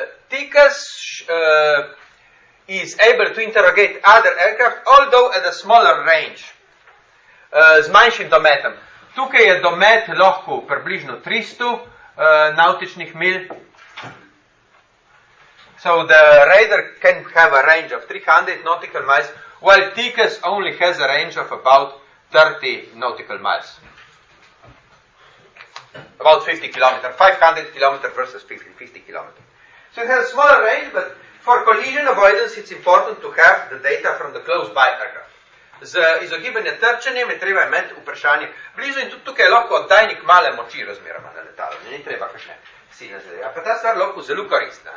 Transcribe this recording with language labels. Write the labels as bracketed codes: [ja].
[en] TICAS is able to interrogate other aircraft, although at a smaller range, [sl] z manjšim dometom. Tukaj je domet lahko približno 300, nautičnih mil. [en] So the radar can have a range of 300 nautical miles, while TICAS only has a range of about 30 nautical miles. About 50 kilometers, 500 kilometers versus 50 kilometers. So it has a smaller range, but for collision avoidance it's important to have the data from the close by aircraft. [sl] Z izogibanje trčenjem je treba imeti vprašanje blizu in tudi tukaj je lahko oddajnik male moči razmeroma na letalo. Ne, ni treba kakšne silne zadeve. Pa ta stvar lahko zelo koristna.